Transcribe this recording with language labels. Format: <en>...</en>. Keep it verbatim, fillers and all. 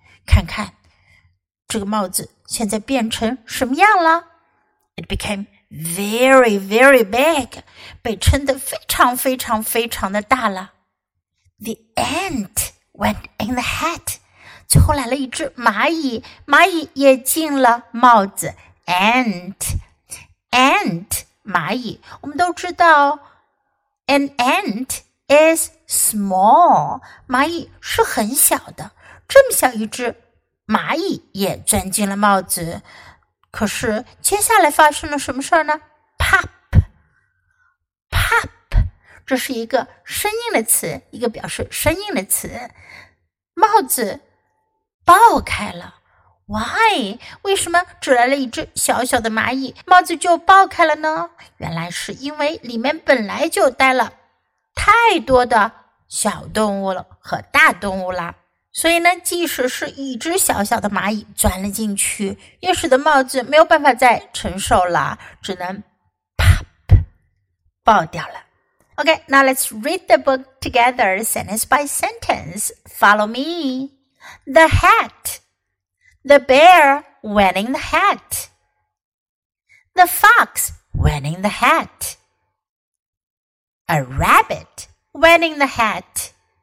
<zh>看看这个帽子现在变成什么样了 ？</zh> <en>It became very, very big.</en> <zh>被撑得非常非常非常的大了。</zh> <en>The ant went in the hat.</en> <zh>最后来了一只蚂蚁，蚂蚁也进了帽子。</zh> <en>Ant, ant,</en> <zh>蚂蚁，我们都知道 ，</zh> <en>an ant is small.</en> <zh>蚂蚁是很小的，这么小一只蚂蚁也钻进了帽子。可是接下来发生了什么事儿呢 ？</zh> <en>Pop, pop，</en> <zh>这是一个声音的词，一个表示声音的词。帽子爆开了。</zh> <en>Why?</en> <zh>为什么只来了一只小小的蚂蚁，帽子就爆开了呢？原来是因为里面本来就待了太多的小动物了和大动物啦。所以呢，即使是一只小小的蚂蚁钻了进去，也使得帽子没有办法再承受了，只能 pop 爆掉了。</zh> <en>Okay, now let's read the book together, sentence by sentence. Follow me. The hat. The bear went in the hat. The fox went in the hat. A rabbit went in the hat.</en>